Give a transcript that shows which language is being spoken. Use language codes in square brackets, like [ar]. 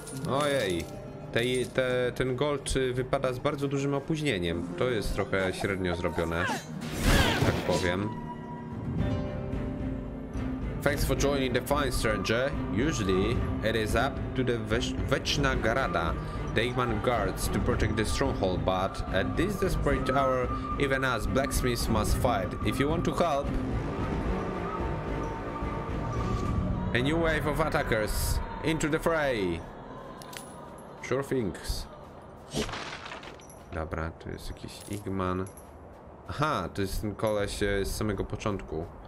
[pl] Ojej, ten gold wypada z bardzo dużym opóźnieniem. To jest trochę średnio zrobione, tak powiem. [en] Thanks for joining the fine stranger. Usually it is up to the Vechna Garada, the Igman guards, to protect the stronghold, but at this desperate hour, even us blacksmiths must fight. If you want to help, a new wave of attackers into the fray. Sure things. [pl] Dobra, to jest jakiś Igman. Aha, to jest ten koleś z samego początku.